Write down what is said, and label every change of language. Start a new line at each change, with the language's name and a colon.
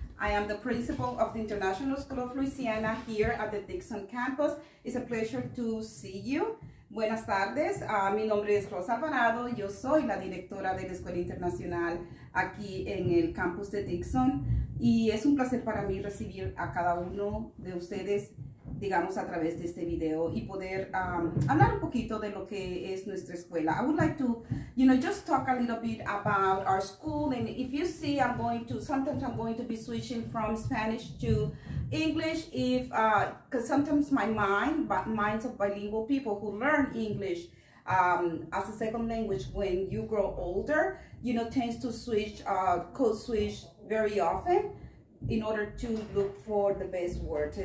English: I am the principal of the International School of Louisiana here at the Dixon campus. It's a pleasure to see you.
Spanish: Buenas tardes, mi nombre es Rosa Alvarado. Yo soy la directora de la Escuela Internacional aquí en el campus de Dixon. Y es un placer para mí recibir a cada uno de ustedes, digamos, a través de este video y poder hablar un poquito de lo que es nuestra escuela.
English: I would like to, you know, just talk a little bit about our school. And if you see, sometimes I'm going to be switching from Spanish to English, if because sometimes my mind, but minds of bilingual people who learn English as a second language when you grow older, you know, tends to switch, code switch very often in order to look for the best words.